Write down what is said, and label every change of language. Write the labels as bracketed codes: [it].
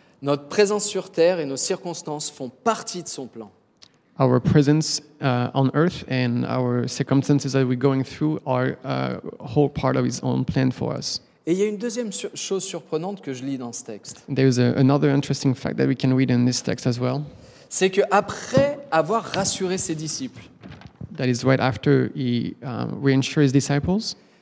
[fr] Notre présence sur terre et nos circonstances font partie de son plan. [en] Our presence on earth and our circumstances that we're going through are a whole part of his own plan for us. [fr] Et il y a une deuxième chose surprenante que je lis dans ce texte. [en] There is another interesting fact that we can read in this text as well. [fr] C'est que après avoir rassuré ses disciples. [en] That is right after he reassured his disciples.